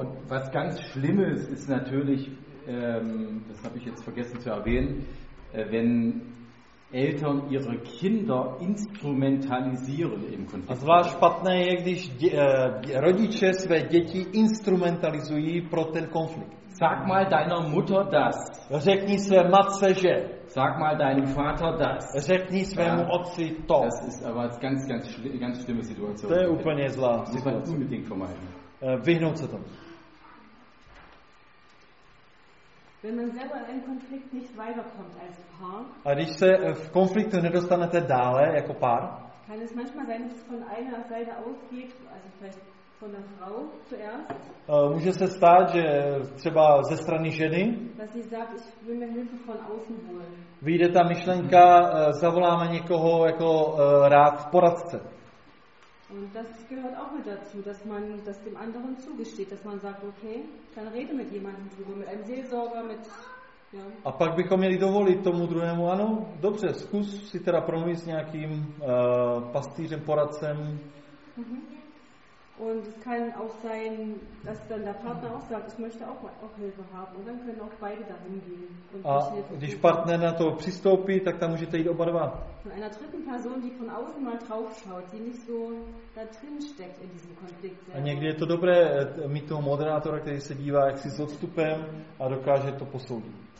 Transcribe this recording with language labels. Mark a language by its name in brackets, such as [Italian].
[German] Und was ganz Schlimmes ist natürlich, das habe ich jetzt vergessen zu erwähnen, wenn Eltern ihre Kinder instrumentalisieren im Konflikt. [Czech] A zvlášť špatné je, když rodiče své děti instrumentalizují pro ten konflikt. [German] Sag mal deiner Mutter das. [Czech] Řekni své matce, že. [German] Sag mal deinem Vater das. [Czech] Řekni svému otci to. [German] Das ist aber eine ganz, ganz, ganz schlimme Situation. [Czech] To je úplně zlá. [German] Muss man unbedingt vermeiden. [Czech] Vyhnout se tomu. [German] Wenn man selber in einem Konflikt nicht weiterkommt als Paar. [Czech] A když se v konfliktu nedostanete dále jako pár. [German] Kann es manchmal sein, dass es von einer Seite ausgeht, also vielleicht von der Frau zuerst. [Czech] Může se stát, že třeba ze strany ženy. [German] Dass sie sagt, ich will mir Hilfe von außen holen. [Czech] Vyjde ta myšlenka, zavoláme někoho jako rád poradce. [German] Und das gehört auch mit dazu, dass man das dem anderen zugesteht, dass man sagt, okay, dann rede mit jemandem drüber, mit einem Seelsorger, mit ja. [Czech] A pak bychom měli dovolit tomu druhému, ano, dobře, zkus si teda promluvit s nějakým pastýřem, poradcem. Mm-hmm. [German] Und es kann auch sein, dass dann der Partner auch sagt, ich möchte auch Hilfe haben. Und dann können auch beide dahin gehen. [Czech] A když partner na to přistoupí, tak tam můžete jít oba dva. [German] Von einer dritten Person, die von außen mal drauf schaut, die nicht so da drin steckt in diesem Konflikt. [Czech] A někdy je to dobré mít toho moderátora, který se dívá jaksi s odstupem a dokáže to posoudit.